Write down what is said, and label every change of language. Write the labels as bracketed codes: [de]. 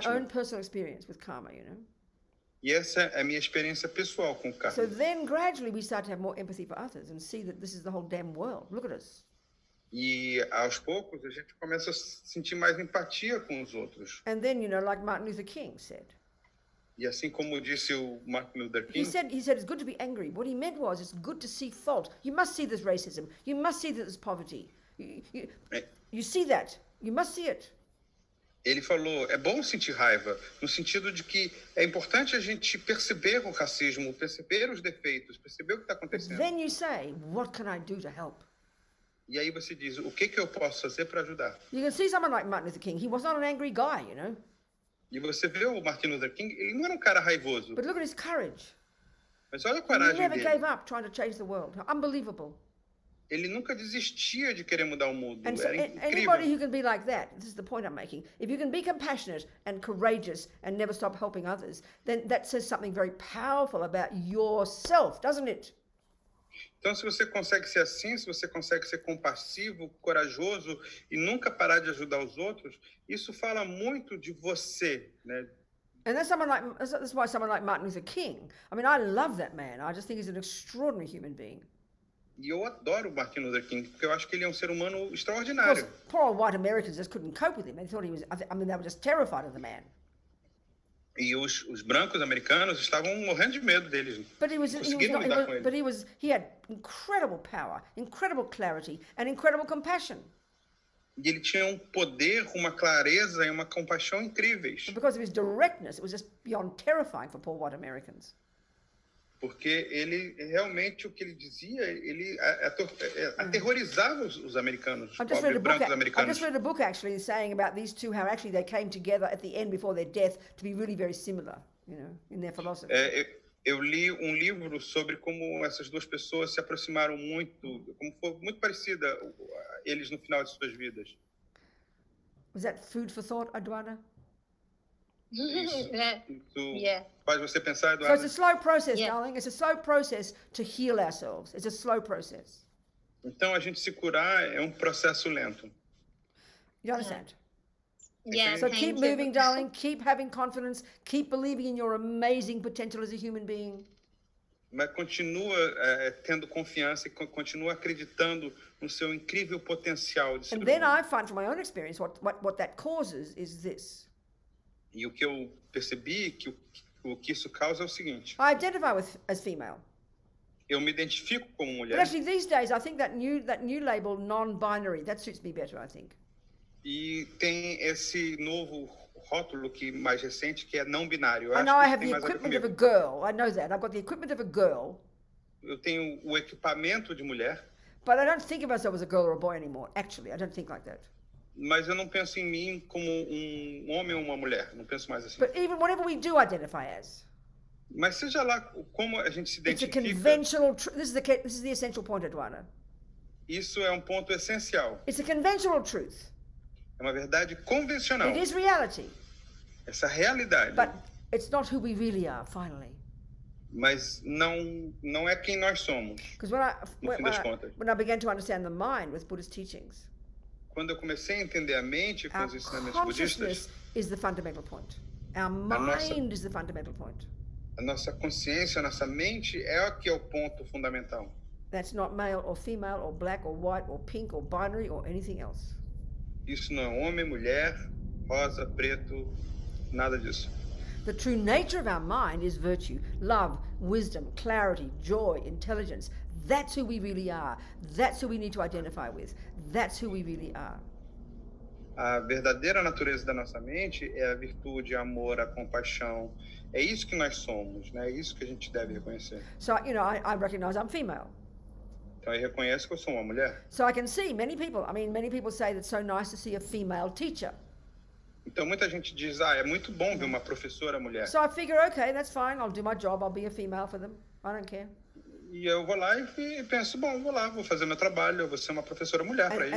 [en] That's my own personal experience with karma, you know. [pt] E essa é a minha experiência pessoal com karma. [en] So then gradually we start to have more empathy for others and see that this is the whole damn world. Look at us. [pt] E aos poucos a gente começa a sentir mais empatia com os outros. [en] And then, you know, like Martin Luther King said. [pt] E assim como disse o Martin Luther King, [en] He said it's good to be angry. What he meant was it's good to see fault. You must see this racism. You must see this poverty. You see that. You must see it. [pt] Ele falou, é bom sentir raiva, no sentido de que é importante a gente perceber o racismo, perceber os defeitos, perceber o que está acontecendo. [en] But then you say, what can I do to help? [pt] E aí você diz, o que que eu posso fazer para ajudar? [en] You can see someone like Martin Luther King. He was not an angry guy, you know. [pt] E você vê o Martin Luther King, ele não era um cara raivoso. [en] But look at his courage. [pt] Mas olha a coragem dele. [en] He never gave up trying to change the world. Unbelievable. [pt] Ele nunca desistia de querer mudar o mundo. [en] And [pt] era incrível. [en] Anybody who can be like that, this is the point I'm making. If you can be compassionate and courageous and never stop helping others, then that says something very powerful about yourself, doesn't it? [pt] Então, se você consegue ser assim, se você consegue ser compassivo, corajoso e nunca parar de ajudar os outros, isso fala muito de você, né? [en] And that's someone like that's why someone like Martin Luther King. I mean, I love that man. I just think he's an extraordinary human being. [pt] E eu adoro Martin Luther King porque eu acho que ele é um ser humano extraordinário. [en] Of course, poor white Americans just couldn't cope with him. They thought he was. I mean, they were just terrified of the man. [pt] E os brancos americanos estavam morrendo de medo deles. [en] But he had incredible power, incredible clarity and incredible compassion. [pt] E ele tinha um poder, uma clareza e uma compaixão incríveis. [en] But because of his directness, it was just beyond terrifying for poor white Americans. [pt] Porque ele realmente, o que ele dizia, ele aterrorizava os americanos, os pobres brancos americanos. [en] I just read a book actually saying about these two, how actually they came together at the end before their death to be really very similar, you know, in their philosophy. [pt] Eu li um livro sobre como essas duas pessoas se aproximaram muito, como foi muito parecida eles no final de suas vidas. [en] Was that food for thought, Aduana? [pt] Isso faz você pensar, Eduardo. [en] So it's a slow process, darling. It's a slow process to heal ourselves. It's a slow process. [pt] Então, a gente se curar é um processo lento. [en] You understand? Yeah. So keep moving, darling. Keep having confidence. Keep believing in your amazing potential as a human being. [pt] Mas continua tendo confiança e continua acreditando no seu incrível potencial. De ser [en] and then I find from my own experience what that causes is this. [pt] E o que eu percebi que o que isso causa é o seguinte. [en] I identify with as female. [pt] Eu me identifico como mulher. [en] But actually, these days, I think that new label, non-binary, that suits me better, I think. [pt] E tem esse novo rótulo que mais recente que é não binário. [en] I know I have the equipment of a girl. I know that. I've got the equipment of a girl. [pt] Eu tenho o equipamento de mulher. [en] But I don't think of myself as a girl or a boy anymore. Actually, I don't think like that. [pt] Mas eu não penso em mim como um homem ou uma mulher. Não penso mais assim. [en] But even whatever we do identify as. [pt] Mas seja lá como a gente se identifica. [en] It's a conventional. This is the essential point, Eduardo. [pt] Isso é um ponto essencial. [en] It's a conventional truth. [pt] É uma verdade convencional. [en] It is reality. [pt] Essa realidade. [en] But it's not who we really are, finally. [pt] Mas não é quem nós somos. [en] Because when I began to understand the mind with Buddhist teachings. [pt] Quando eu comecei a entender a mente com os ensinamentos budistas, [en] is the fundamental point. Our mind is the fundamental point. [pt] A nossa consciência, a nossa mente é o que é o ponto fundamental. [en] That's not male or female or black or white or pink or binary or anything else. [pt] Isso não é homem, mulher, rosa, preto, nada disso. [en] The true nature of our mind is virtue, love, wisdom, clarity, joy, intelligence. That's who we really are. That's who we need to identify with. That's who we really are. [pt] A verdadeira natureza da nossa mente é a virtude, amor, a compaixão. É isso que nós somos, né? É isso que a gente deve reconhecer. [en] So, you know, I recognize I'm female. [pt] Então, eu reconheço que eu sou uma mulher. [en] So I can see many people say that it's so nice to see a female teacher. [pt] Então, muita gente diz, ah, é muito bom ver uma professora mulher. [en] So I figure, okay, that's fine. I'll do my job. I'll be a female for them. I don't care. [pt] E eu vou lá e penso, bom, vou lá, vou fazer meu trabalho, eu vou ser uma professora mulher para isso.